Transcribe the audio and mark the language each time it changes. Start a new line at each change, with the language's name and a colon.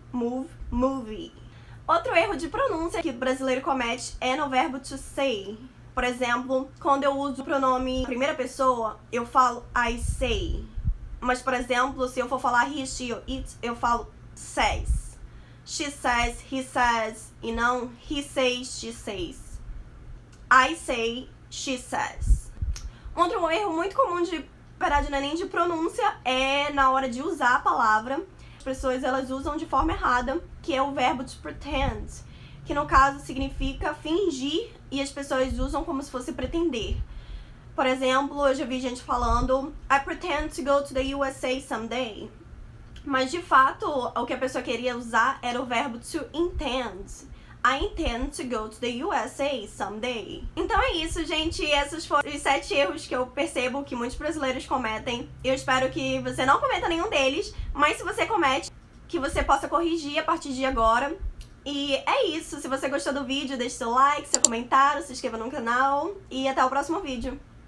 English: Move, movie.
Portuguese: Outro erro de pronúncia que o brasileiro comete é no verbo to say. Por exemplo, quando eu uso o pronome primeira pessoa, eu falo
English: I say.
Portuguese: Mas, por exemplo, se eu for falar he, she ou it, eu falo says.
English: She says, he says,
Portuguese: e não
English: he says, she says. I say, she says.
Portuguese: Outro erro muito comum de, verdade, não é nem de pronúncia, é na hora de usar a palavra. As pessoas, elas usam de forma errada, que é o verbo to pretend, que no caso significa fingir, e as pessoas usam como se fosse pretender. Por exemplo, eu já vi gente falando
English: I pretend to go to the USA someday.
Portuguese: Mas de fato, o que a pessoa queria usar era o verbo to intend.
English: I intend to go to the USA someday.
Portuguese: Então é isso, gente. Esses foram os 7 erros que eu percebo que muitos brasileiros cometem. Eu espero que você não cometa nenhum deles, mas se você comete, que você possa corrigir a partir de agora. E é isso. Se você gostou do vídeo, deixe seu like, seu comentário, se inscreva no canal. E até o próximo vídeo.